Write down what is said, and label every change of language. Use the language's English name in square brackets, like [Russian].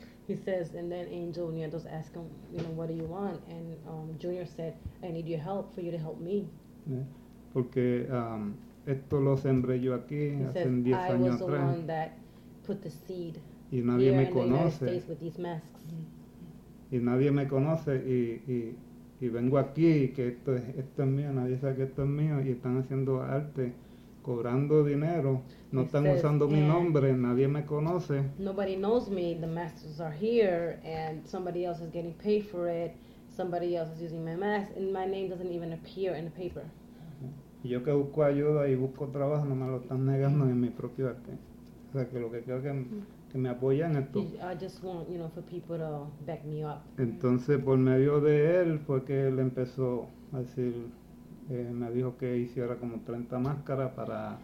[English] He says, and then Angel Nieto's asked him, you know, what do you want? And Junior said, I need your help for you to help me. [Spanish] Porque esto lo sembré yo aquí hace 10 años atrás. [English] I was the one that put the seed. [Spanish] Y nadie me conoce. [English] With these masks. [Spanish] Y nadie me conoce y vengo aquí que esto es mío, nadie sabe que esto es mío y están haciendo arte, cobrando dinero, no están usando mi nombre, nadie me conoce. [English] Nobody knows me, the masks are here and somebody else is getting paid for it. Somebody else is using my mask and my name doesn't even appear in the paper. [Spanish] Yo que busco ayuda y busco trabajo, no me lo están negando en mi propio arte. O sea, que lo que quiero es que me apoyen esto. [English] I just want, you know, for people to back me up. [Spanish] Entonces, por medio de él, fue que él empezó a decir, me dijo que hiciera como 30 máscaras para...